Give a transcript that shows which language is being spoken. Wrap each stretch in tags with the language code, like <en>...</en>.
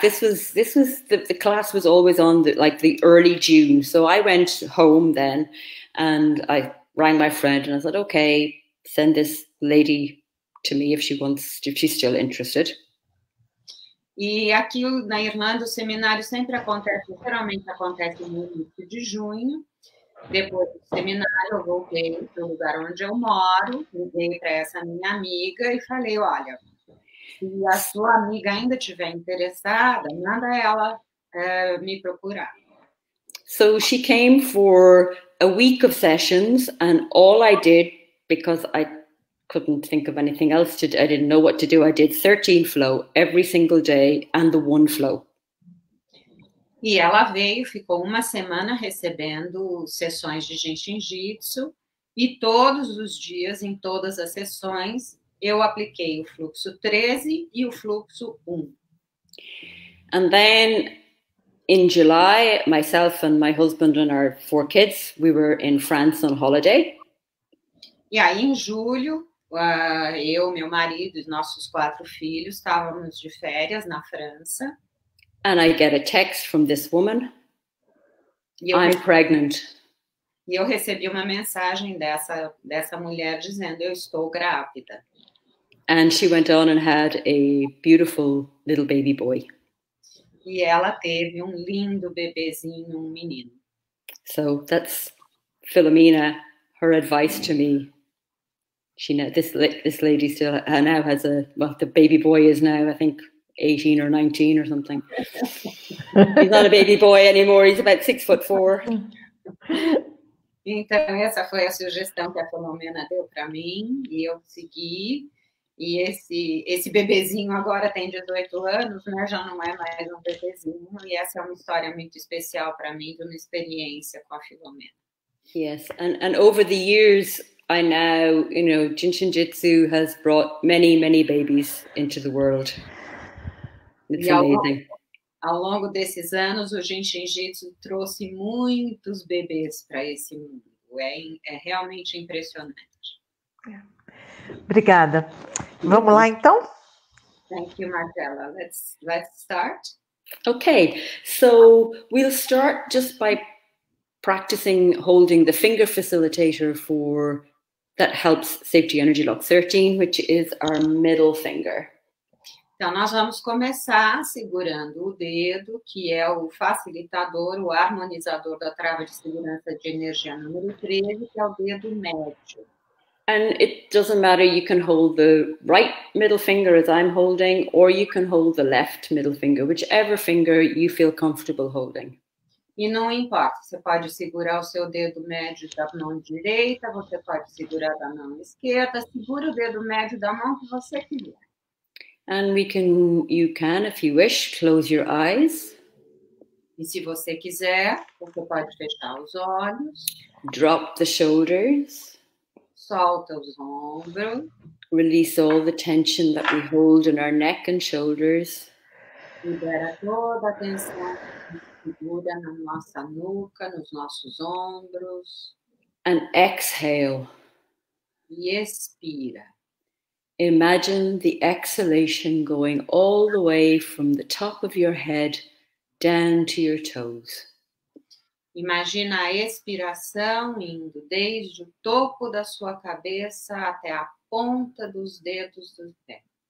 <en>This was the class was always on the early June. So I went home then and I rang my friend and I said, okay, send this lady to me if she's still interested.</en> <pt>E aqui na Irlanda o seminário sempre acontece, geralmente acontece no início de junho. Depois do seminário, eu voltei para o lugar onde eu moro, liguei para essa minha amiga e falei, olha, se a sua amiga ainda estiver interessada, manda ela me procurar.</pt> <en>So she came for a week of sessions, and all I did, because I couldn't think of anything else to do, I didn't know what to do, I did 13 flow every single day and the one flow.</en> <pt>E ela veio, ficou uma semana recebendo sessões de Jin Shin Jyutsu e todos os dias, em todas as sessões, eu apliquei o fluxo 13 e o fluxo 1.</pt> <en>And then, in July, myself and my husband and our four kids, we were in France on holiday.</en> <pt>E aí, em julho, eu, meu marido e nossos quatro filhos estávamos de férias na França.</pt> <en>And I get a text from this woman. I'm pregnant.</en> <pt>E eu recebi uma mensagem dessa mulher dizendo, eu estou grávida.</pt> <en>And she went on and had a beautiful little baby boy.</en> <pt>E ela teve um lindo bebezinho, um menino.</pt> <en>So that's Filomena, her advice to me. This lady still now has the baby boy is now, I think, 18 or 19 or something. He's not a baby boy anymore. He's about 6'4".</en> <pt>Então, essa foi a sugestão que a Filomena deu para mim e eu segui. E esse bebezinho agora tem 18 anos, né? Já não é mais um bebezinho. E essa é uma história muito especial para mim, de uma experiência com a Filomena.</pt> <en>Yes, and over the years, I now, you know, Jin Shin Jyutsu has brought many, many babies into the world. It's amazing.</en> <pt>Ao longo desses anos, o Jin Shin Jyutsu trouxe muitos bebês para esse mundo. É realmente impressionante. Obrigada. Vamos lá, então?</pt> <en>Thank you, Majella. Let's start. Okay, so we'll start just by practicing holding the finger facilitator for that helps safety energy lock 13, which is our middle finger.</en> <pt>Então, nós vamos começar segurando o dedo, que é o facilitador, o harmonizador da trava de segurança de energia número 13, que é o dedo médio.</pt> <en>And it doesn't matter, you can hold the right middle finger as I'm holding, or you can hold the left middle finger, whichever finger you feel comfortable holding.</en> <pt>E não importa, você pode segurar o seu dedo médio da mão direita, você pode segurar da mão esquerda, segura o dedo médio da mão que você quiser.</pt> <en>And you can, if you wish, close your eyes.</en> <pt>E se você quiser, você pode fechar os olhos.</pt> <en>Drop the shoulders.</en> <pt>Solta os ombros.</pt> <en>Release all the tension that we hold in our neck and shoulders.</en> <pt>Libera toda a tensão que segura na nossa nuca, nos nossos ombros.</pt> <en>And exhale.</en> <pt>E expira.</pt> <en>Imagine the exhalation going all the way from the top of your head down to your toes.</en> <pt>Imagina a expiração indo desde o topo da sua cabeça até a ponta dos dedos do pé.</pt>